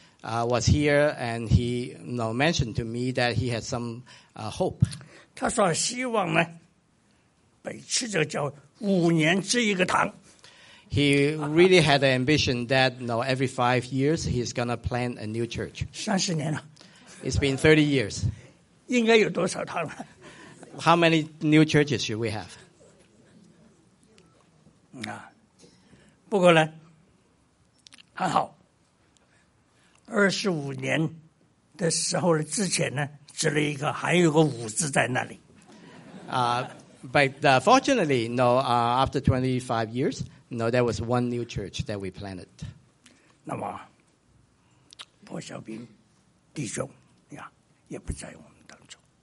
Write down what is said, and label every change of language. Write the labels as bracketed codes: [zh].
[en] Was here and he mentioned to me that he had some hope. [zh] 他说希望呢，北区这个叫五年聚一个堂。 [en] He really had an ambition that every 5 years he's gonna plant a new church. [zh] 三十年了。 [en] It's been 30 years. [zh] 应该有多少堂了？ [en] How many new churches should we have? [zh] 啊，不过呢，还好。二十五年的时候之前呢，只了一个，还有个五字在那里。 [en] But fortunately, after 25 years, there was one new church that we planted. [zh] 那么，柏小兵弟兄呀，也不在我们当中。